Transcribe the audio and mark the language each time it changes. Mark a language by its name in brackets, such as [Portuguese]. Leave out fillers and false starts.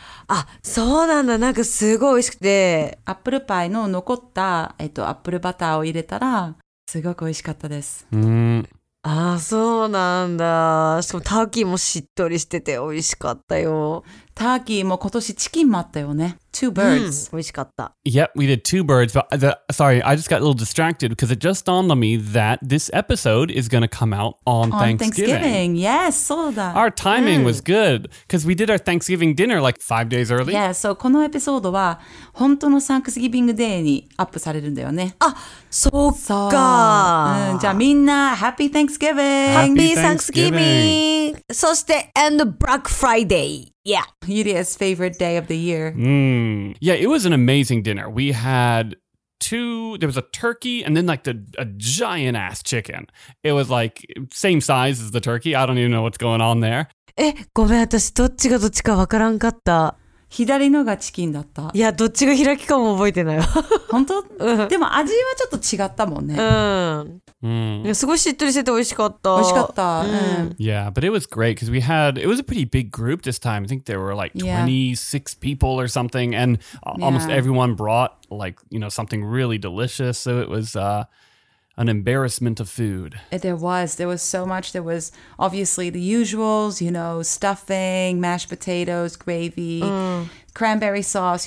[Japanese] あ、そうなんだ。なんかすごい美味しくて。アップルパイの残った、アップルバターを入れたら、すごく美味しかったです。ああ、そうなんだ。しかもターキーもしっとりしてて美味しかったよ。ターキーも今年チキンもあったよね。 [English] Two birds. [Japanese] 美味しかった。 [English] Yep, we did two birds. But sorry, I just got a little distracted because it just dawned on me that this episode is going to come out on Thanksgiving. Yes, [Japanese] そうだ。 [English] Our timing was good because we did our Thanksgiving dinner like 5 days early. Yeah, so [Japanese] このエピソードは本当のサンクスギビングデーにアップされるんだよね。あ、そうか。じゃあみんな、 [English] Happy Thanksgiving! Happy Thanksgiving! [Japanese] そして、 [English] and Black Friday! Yeah. Yuria's favorite day of the year. Yeah, it was an amazing dinner. We had there was a turkey and then like a giant ass chicken. It was like same size as the turkey. I don't even know what's going on there. [Japanese] ごめん、私どっちがどっちかわからんかった。左のがチキンだった。いや、どっちが開きかも覚えてないわ。本当? でも味はちょっと違ったもんね。すごいしっとりしてて美味しかった。美味しかった。 [English] Yeah, but it was great because it was a pretty big group this time. I think there were like 26 people or something and almost everyone brought like, you know, something really delicious. So it was an embarrassment of food. There was so much. There was obviously the usuals, you know, stuffing, mashed potatoes, gravy, cranberry sauce.